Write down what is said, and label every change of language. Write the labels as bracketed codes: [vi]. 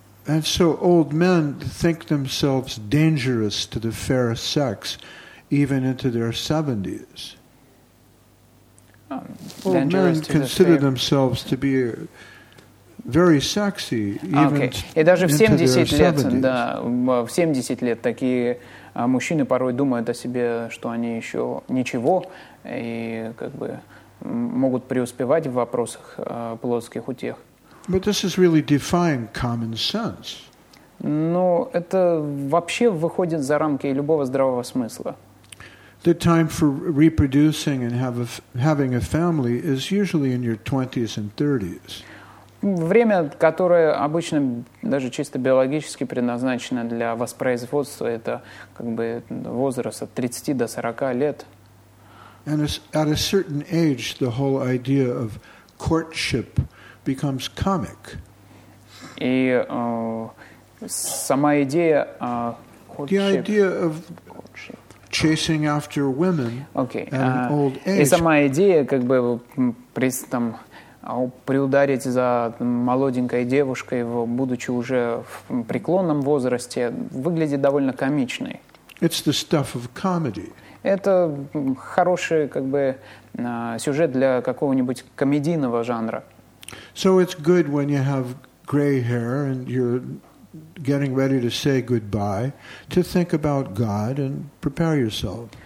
[en] And so old men think themselves dangerous to the fair sex, even into their 70s. Old men consider themselves to be very sexy, even into their 70s. [ru] Да, в 70 лет такие мужчины порой думают о себе, что они еще ничего, и как бы могут преуспевать в вопросах плотских утех. [en] But this is really defying common sense. [ru] Но это вообще выходит за рамки любого здравого смысла. [en] The time for reproducing and having a family is usually in your 20s and 30s. [ru] Время, которое обычно даже чисто биологически предназначено для воспроизводства, это как бы возраст от 30 до 40 лет. [en] And at a certain age, the whole idea of courtship becomes comic. [ru] И сама идея [en] the idea of chasing after women at an old age. [ru] И сама идея как бы там приударить за молоденькой девушкой, будучи уже в преклонном возрасте, выглядит довольно комичной. [en] It's the stuff of comedy. [ru] Это хороший как бы сюжет для какого-нибудь комедийного жанра. [en] So it's good when you have gray hair and you're getting ready to say goodbye to think about God and prepare yourself.